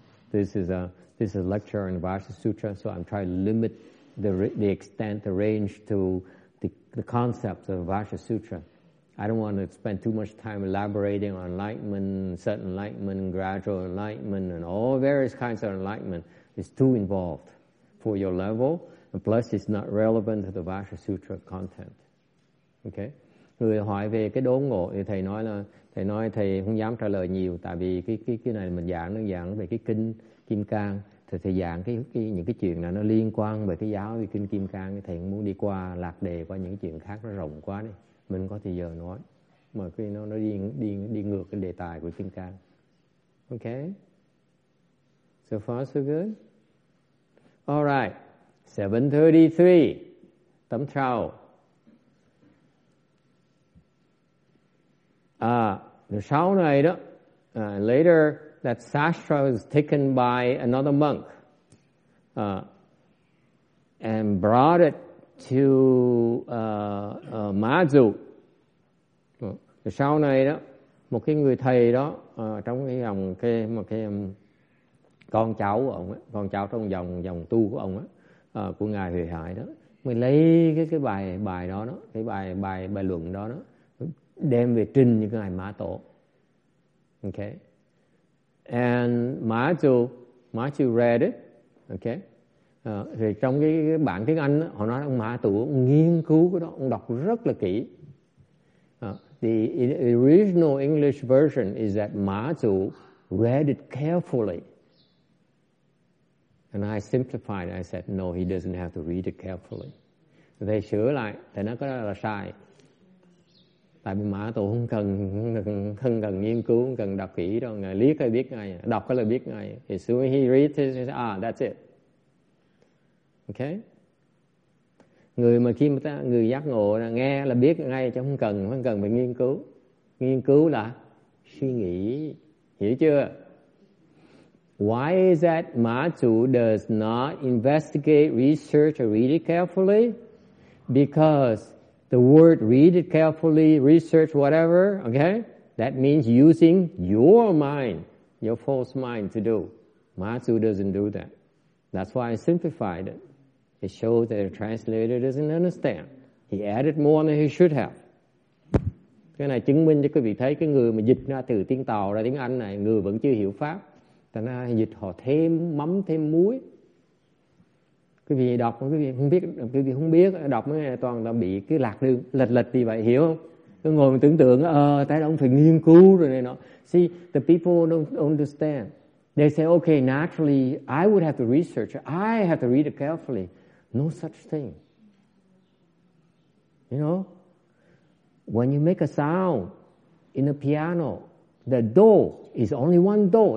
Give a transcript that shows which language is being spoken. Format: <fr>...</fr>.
<en>This is a lecture on Vajra Sutra, so I'm trying to limit the extent, the range to the concepts of Vajra Sutra. I don't want to spend too much time elaborating on enlightenment, certain enlightenment, gradual enlightenment, and all various kinds of enlightenment. It's too involved for your level. And plus, it's not relevant to the Vajra Sutra content. Okay?</en> <vi>Người hỏi về cái đốn ngộ thì thầy nói thầy không dám trả lời nhiều, tại vì cái này mình giảng nó giảng về cái kinh Kim Cang, thì thầy giảng cái những cái chuyện này nó liên quan về cái giáo về kinh Kim Cang, thầy không muốn đi qua lạc đề qua những chuyện khác, nó rộng quá đi, mình có thời giờ nói, mà cái nó đi ngược cái đề tài của Kim Cang.</vi> <en>Okay? So far so good. All right.</en> <vi>7:33, tấm trào. Sau này đó,</vi> <en>later that sastra was taken by another monk and brought it to Mã Dụ.</en> <vi>Sau này đó, một cái người thầy đó trong cái dòng kia, một cái con cháu của ông ấy, con cháu trong dòng dòng tu của ông ấy, của ngài Huệ Hải đó, mình lấy cái bài bài đó đó, cái bài bài bài luận đó đó, đem về trình như ngài Mã Tổ. Okay.</vi> <en>And Mã Dụ read it. Okay.</en> <vi>Thì trong cái bản tiếng Anh đó, họ nói ông Mã Tổ nghiên cứu cái đó, ông đọc rất là kỹ.</vi> <en>The original English version is that Mã Dụ read it carefully. And I simplified it. I said, no, he doesn't have to read it carefully.</en> <vi>Thầy sửa lại, thầy nói cái đó là sai. Tại vì Mã Tổ không cần nghiên cứu, không cần đọc kỹ đâu. Ngài liếc là biết ngay, đọc là biết ngay.</vi> <en>As soon as he reads it, he says, ah, that's it. Okay?</en> <vi>Người mà khi mà ta, người giác ngộ là nghe là biết ngay, chứ không cần phải nghiên cứu. Nghiên cứu là suy nghĩ. Hiểu chưa?</vi> <en>Why is that Mã Tổ does not investigate, research, or read it carefully? Because the word read it carefully, research, whatever, okay? That means using your mind, your false mind to do. Mã Tổ doesn't do that. That's why I simplified it. It shows that the translator doesn't understand. He added more than he should have.</en> <vi>Cái này chứng minh cho quý vị thấy cái người mà dịch ra từ tiếng Tàu ra tiếng Anh này, người vẫn chưa hiểu Pháp. Tại nó dịch họ thêm mắm, thêm muối. Quý vị đọc, quý vị không biết, đọc mấy ngày toàn là bị cứ lạc đường, lệch vì vậy, hiểu không? Cứ ngồi tưởng tượng, tại đó ông phải nghiên cứu rồi này nọ.</vi> <en>See, the people don't understand. They say, okay, naturally, I would have to research. I have to read it carefully. No such thing. You know? When you make a sound in a piano, the do is only one do.</en>